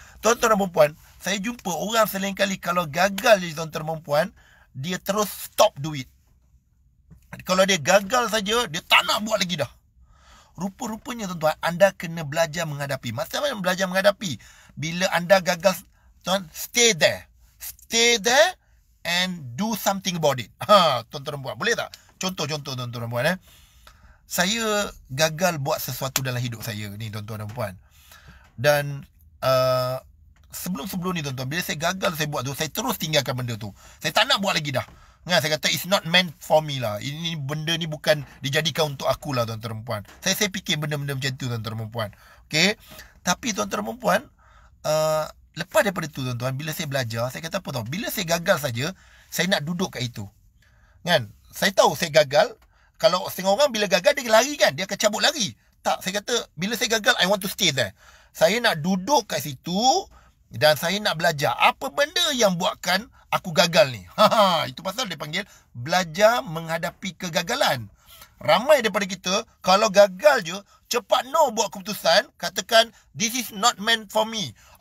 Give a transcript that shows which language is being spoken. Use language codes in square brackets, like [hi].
[ms] Tuan-tuan dan puan, saya jumpa orang selain kali kalau gagal jadi tuan-tuan dan puan, dia terus stop duit. Kalau dia gagal saja, dia tak nak buat lagi dah. Rupa-rupanya, tuan-tuan, anda kena belajar menghadapi. Maksudnya apa yang belajar menghadapi? Bila anda gagal, tuan, [en] stay there. Stay there and do something about it. [ms] Ha, tuan-tuan dan puan, boleh tak? Contoh-contoh, tuan-tuan dan puan, eh. Saya gagal buat sesuatu dalam hidup saya ni, tuan-tuan dan puan. Dan sebelum-sebelum ni, tuan-tuan, bila saya gagal saya buat tu, saya terus tinggalkan benda tu. Saya tak nak buat lagi dah. Nah, saya kata, [en] it's not meant for me lah. [ms] Ini benda ni bukan dijadikan untuk aku lah, tuan-tuan dan puan. Saya fikir benda-benda macam tu, tuan-tuan dan puan. Okay? Tapi, tuan-tuan dan puan, lepas daripada tu, tuan-tuan, bila saya belajar, saya kata apa tau? Bila saya gagal saja, saya nak duduk kat itu. Kan? Saya tahu saya gagal. Kalau setengah orang bila gagal, dia lari kan? Dia akan cabut lari. Tak, saya kata, bila saya gagal, [en] I want to stay there. [ms] Saya nak duduk kat situ dan saya nak belajar apa benda yang buatkan aku gagal ni. Ha, itu pasal dia panggil belajar menghadapi kegagalan. Ramai daripada kita, kalau gagal je, cepat no buat keputusan. Katakan, [en] this is not meant for me.